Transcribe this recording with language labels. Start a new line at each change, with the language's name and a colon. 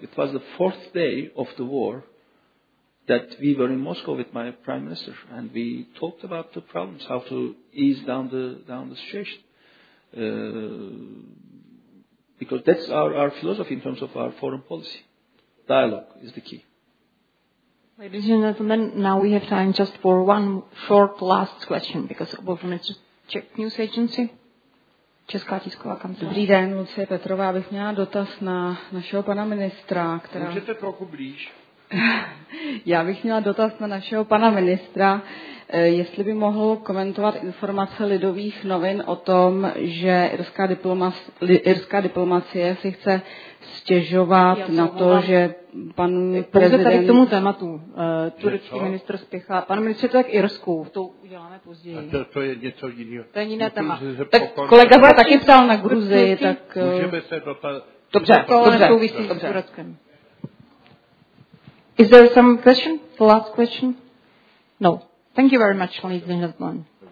English: It was the fourth day of the war that we were in Moscow with my prime minister, and we talked about the problems, how to ease down the situation. Because that's our philosophy in terms of our foreign policy. Dialogue is the key. Ladies and gentlemen, now we have time just for one short last question because of the Czech news agency.
Czech: Česká tisková kancelář. Dobrý den, Lucie Petrová, bych měla dotaz na našeho pana ministra, která... Můžete trochu blíž? Já bych měla dotaz na našeho pana ministra, jestli by mohl komentovat informace Lidových novin o tom, že irská diplomacie si chce stěžovat na to, že pan prezident... Pouze tady k tomu tématu. Turecký ministr spěchá. Pan ministr, to tak Irsku, to uděláme později. To je něco jiného. To je jiné téma. Tak kolega se taky ptal na Gruzii, tak... Můžeme se dotazit... Dobře, to souvisí s Tureckem.
English: Is there some question? The last question? No. Thank you very much, ladies and gentlemen.